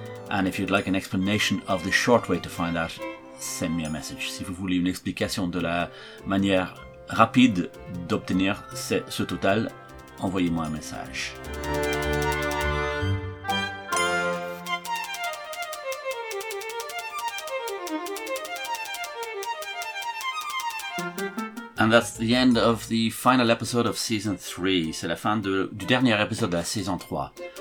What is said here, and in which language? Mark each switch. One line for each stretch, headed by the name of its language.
English: And if you'd like an explanation of the short way to find out, send me a message.
French: Si vous voulez une explication de la manière rapide d'obtenir ce total, envoyez-moi un message.
English: And that's the end of the final episode of season 3.
French: C'est la fin du dernier épisode de la saison 3.